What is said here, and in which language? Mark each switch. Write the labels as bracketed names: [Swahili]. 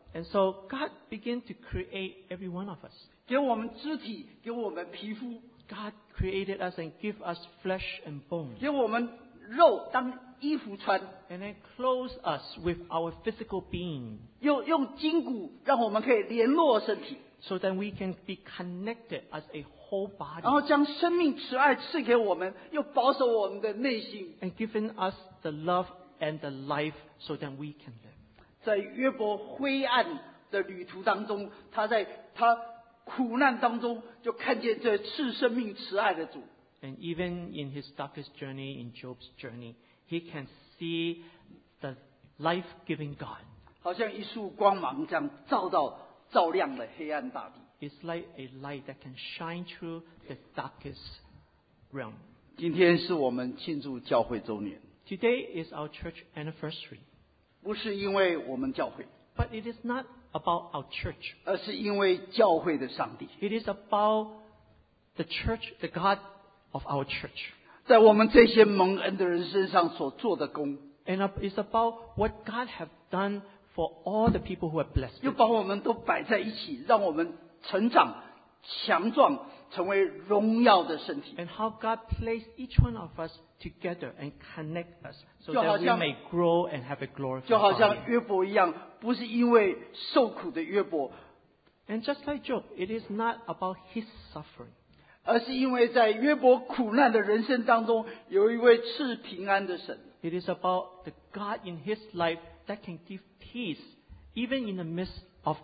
[English] And so God began to create every one of us. [Chinese] 给我们肢体, 给我们皮肤。 [English] God created us and give us flesh and bone. [Chinese] 给我们肉, 当衣服穿。 [English] And then clothes us with our physical being. [Chinese] 用筋骨, 让我们可以联络身体。 [English] So that we can be connected as a whole body. [Chinese] 然后将生命慈爱赐给我们, 又保守我们的内心。 [English] And given us the love and the life so that we can live. [Chinese] 在约伯灰暗的旅途当中, 他苦难当中, 就看见这赐生命慈爱的主。 [English] And even in his darkest journey, in Job's journey, he can see the life-giving God. [Chinese] 好像一束光芒这样照到, 照亮了黑暗大地。 [English] It's like a light that can shine through the darkest realm. [Chinese] 今天是我们庆祝教会周年。 [English] Today is our church anniversary. [Chinese] 不是因为我们教会。 [English] But it is not about our church. [Chinese] 而是因为教会的上帝。 [English] It is about the church, the God of our church. [Chinese] 在我们这些蒙恩的人身上所做的工。 [English] And it's about what God has done for all the people who are blessed. [Chinese] 又把我们都摆在一起, 让我们成长, 强壮, 成为荣耀的身体。 [English] And how God placed each one of us together and connect us so [Chinese] 就好像, [English] that we may grow and have a glorified [Chinese] 就好像约伯一样, 不是因为受苦的约伯, [English] and just like Job, it is not about his suffering. [Chinese] 而是因为在约伯苦难的人生当中, 有一位赐平安的神。 [English] It is about the God in his life that can give peace even in the midst of